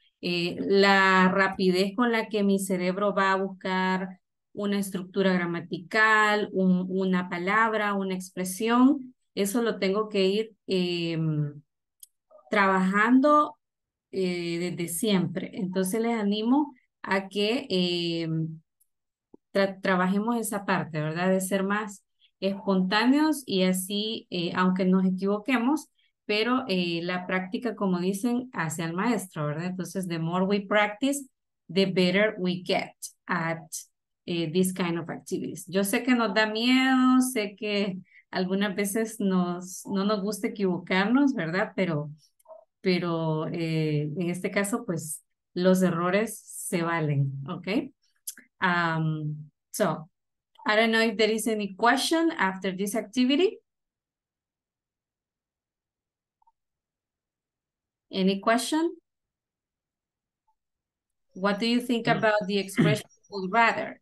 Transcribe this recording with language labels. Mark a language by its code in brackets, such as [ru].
[es] La rapidez con la que mi cerebro va a buscar una estructura gramatical, una palabra, una expresión, eso lo tengo que ir trabajando desde siempre. Entonces les animo a que trabajemos esa parte, ¿verdad? De ser más espontáneos y así, aunque nos equivoquemos, pero la práctica, como dicen, hace al maestro, ¿verdad? [en] Entonces, the more we practice, the better we get at this kind of activities. [es] Yo sé que nos da miedo, sé que algunas veces no nos gusta equivocarnos, ¿verdad? Pero en este caso, pues, los errores se valen, ¿ok? [en] So, I don't know if there is any question after this activity. Any question? What do you think about the expression would rather?